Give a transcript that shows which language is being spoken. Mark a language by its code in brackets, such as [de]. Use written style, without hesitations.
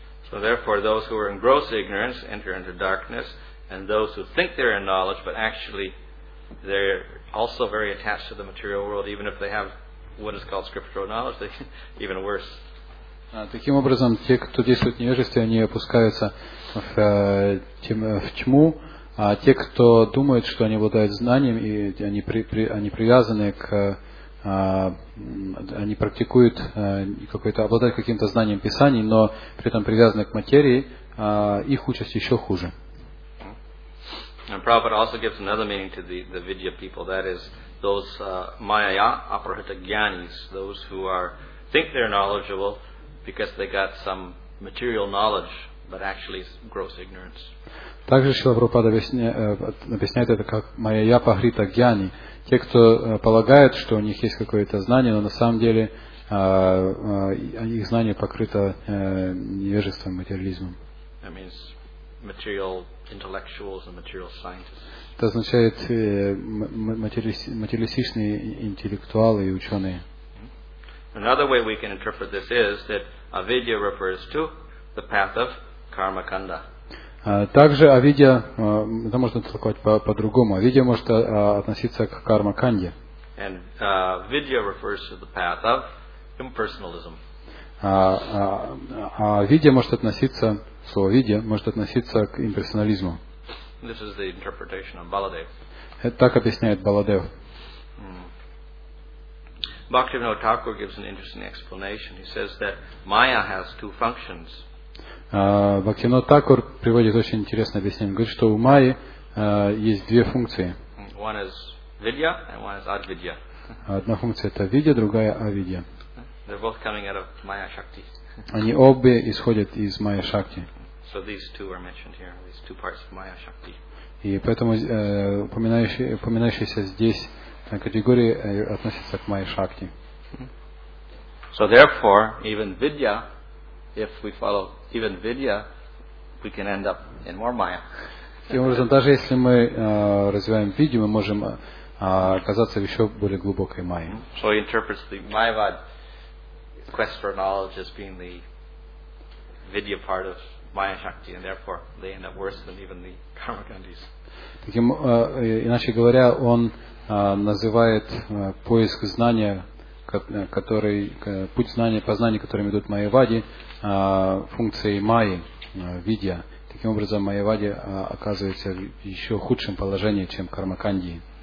[en] So therefore, those who are in gross ignorance enter into darkness, and those who think they're in knowledge, but actually they're also very attached to the material world, even if they have what is called scriptural knowledge, they're even worse. [ru] Таким образом, те, кто действует в невежестве, они опускаются в тьму, а те, кто думает, что они обладают знанием, и обладают каким-то знанием Писаний, но при этом привязаны к материи, их участь еще хуже. [en] And Prabhupada also gives another meaning to the Vidya people, that is those Mayaya Aparahita Gyanis, those who think they're knowledgeable, because they got some material knowledge but actually it's gross ignorance. [ru] Также Шрила Прабхупада объясняет это как майя пахрита гьяни. Те, кто полагают, что у них есть какое-то знание, но на самом деле их знание покрыто невежеством, материализмом. [en] That means material intellectuals and material scientists. [ru] Это означает материалистичные интеллектуалы и ученые. [en] Another way we can interpret this is that avidya refers to the path of karmakanda. [ru] Также авидья, это можно толковать по-другому. Авидья может относиться к карма-канде. [en] And vidya refers to the path of impersonalism. [ru] Авидья может относиться, слово видья может относиться к имперсонализму. [en] This is the interpretation of Baladev. [ru] Это так объясняет Баладев. [en] Бхактивинода Тхакур gives an interesting explanation. He says that Maya has two functions. [ru] Бхактивинода Тхакур приводит очень интересное объяснение. Говорит, что у Майи есть две функции. [en] One is vidya and one is advidya. [ru] Одна функция это видья, другая авидья. [en] They're both coming out of Maya Shakti. [ru] Они обе исходят из Майя Шакти. [en] So these two are mentioned here, these two parts of Maya Shakti. [ru] И поэтому упоминающиеся здесь категории относятся к Майя Шакти. [en] So therefore, even vidya, if we follow even vidya, we can end up in more Maya. [ru] Таким образом, даже если мы развиваем видью, мы можем оказаться в еще более глубокой Майе. [en] So he interprets the Mayavad quest for knowledge as being the vidya part of Maya Shakti, and therefore they end up worse than even the Karmakandis. [ru] Таким иначе говоря, он называет поиск знания, который путь знания, познания, которым идут Майявади, функцией Майи, видья. Таким образом, Майявади оказывается в еще худшем положении, чем Кармакандии.